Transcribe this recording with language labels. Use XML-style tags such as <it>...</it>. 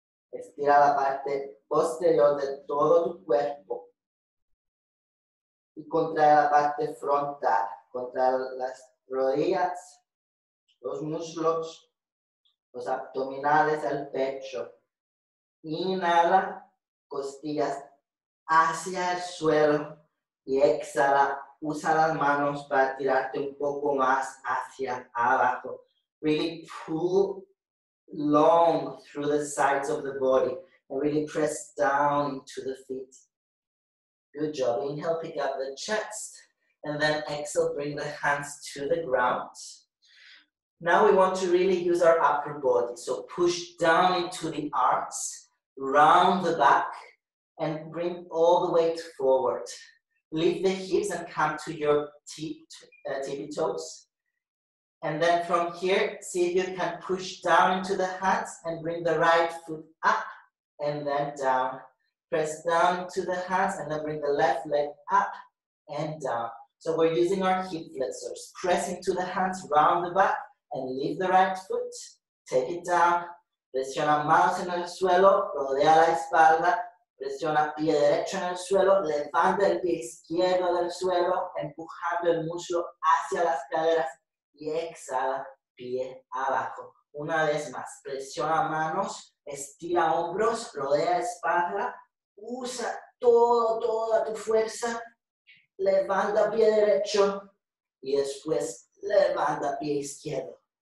<es>Estira la parte posterior de todo tu cuerpo y contrae la parte frontal, contrae las rodillas, los muslos, los abdominales, el pecho. Inhala, costillas hacia el suelo y exhala, usa las manos para tirarte un poco más hacia abajo.</es> <en>Really pull long through the sides of the body. And really press down into the feet. Good job. Inhale, pick up the chest. And then exhale, bring the hands to the ground. Now we want to really use our upper body. So push down into the arms, round the back, and bring all the weight forward. Lift the hips and come to your tippy toes. And then from here, see if you can push down into the hands and bring the right foot up. And then down. Press down to the hands and then bring the left leg up and down. So we're using our hip flexors. Press into the hands, round the back and lift the right foot. Take it down.</en> <es>Presiona manos en el suelo, rodea la espalda. Presiona pie derecho en el suelo, levanta el pie izquierdo del suelo, empujando el muslo hacia las caderas y exhala, pie abajo. Una vez más, presiona manos. Estira hombros, rodea espalda, usa toda tu fuerza, levanta pie derecho y después levanta pie izquierdo.</es>